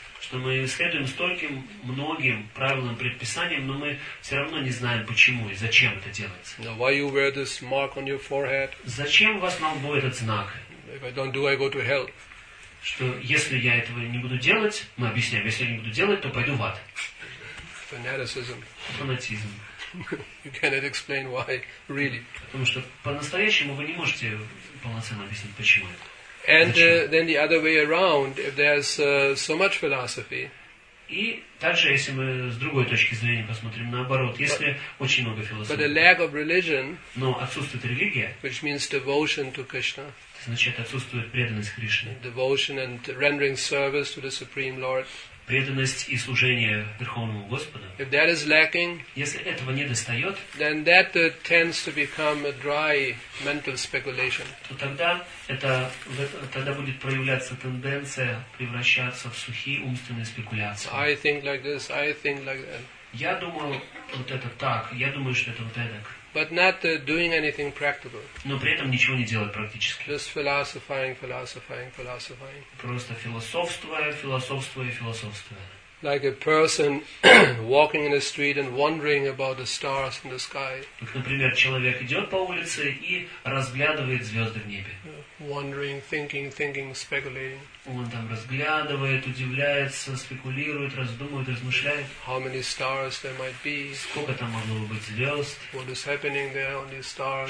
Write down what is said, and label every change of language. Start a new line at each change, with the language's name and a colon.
Russian: Что мы следуем стольким многим правилам, предписаниям, но мы все равно не знаем, почему и зачем это делается.
English: Now, why you wear this mark on your forehead?
Russian: Зачем у вас на лбу этот знак?
English: If I don't do, I go to hell.
Russian: Что если я этого не буду делать, мы объясняем, если я не буду делать, то пойду в ад.
English: Fanaticism.
Russian: Фанатизм.
English: You cannot explain why, really.
Russian: Потому что по-настоящему вы не можете полноценно объяснить, почему это.
English: And then the other way around, if there's so much philosophy.
Russian: И также, если мы с другой точки зрения посмотрим наоборот, если очень много философии.
English: But the lack of religion.
Russian: Но отсутствует религия.
English: Which means devotion to Krishna.
Russian: Значит, отсутствует преданность Кришне.
English: Devotion and rendering service to the Supreme Lord.
Russian: Преданность и служение Верховному Господу.
English: If that is lacking,
Russian: если этого не достает,
English: then that tends to become a dry mental speculation.
Russian: То тогда тогда будет проявляться тенденция превращаться в сухие умственные спекуляции.
English: I think like this, I think like that.
Russian: Я думаю вот это так, я думаю, что это вот эдак.
English: But not doing anything practical.
Russian: Но при этом ничего не делать практически.
English: Just philosophizing, philosophizing, philosophizing.
Russian: Просто философствуя, философствуя, философствуя.
English: Like a person walking in the street and wondering about the stars in the sky.
Russian: Как, например, человек идет по улице и разглядывает звезды в небе.
English: Wondering, thinking, thinking, speculating.
Russian: Он там разглядывает, удивляется, спекулирует, раздумывает, размышляет.
English: How many stars there might be?
Russian: Сколько там могло бы быть звезд?
English: What is happening there on these stars?